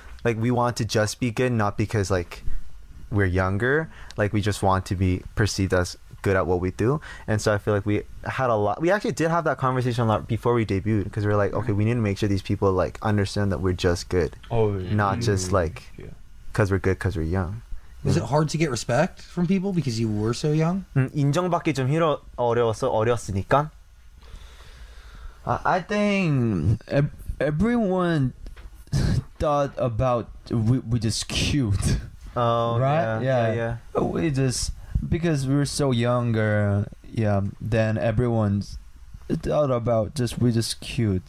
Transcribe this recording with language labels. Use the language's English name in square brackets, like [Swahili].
[English] like we want to just be good, not because like we're younger, like we just want to be perceived as good at what we do. And so I feel like we actually did have that conversation a lot before we debuted, because we're like, okay, we need to make sure these people like understand that we're just good. Oh, not just like because we're good because we're young. Was it hard to get respect from people because you were so young? [Korean] 인정받기 좀 어려웠으니까. [English] I think everyone thought about we just cute. Oh, right? Yeah. We just, because we were so younger, yeah, then everyone thought about just we just cute.